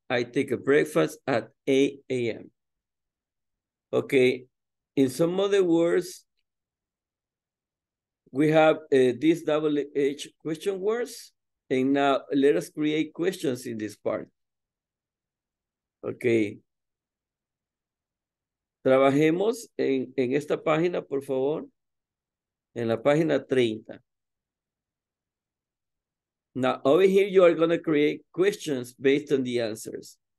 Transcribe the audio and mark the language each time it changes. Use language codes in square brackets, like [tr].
[en] I take a breakfast at 8 a.m. Okay, in some other words, we have these WH question words, and now let us create questions in this part. Okay. [es] Trabajemos en esta página, por favor, en la página 30. [en] Now, over here, you are going to create questions based on the answers.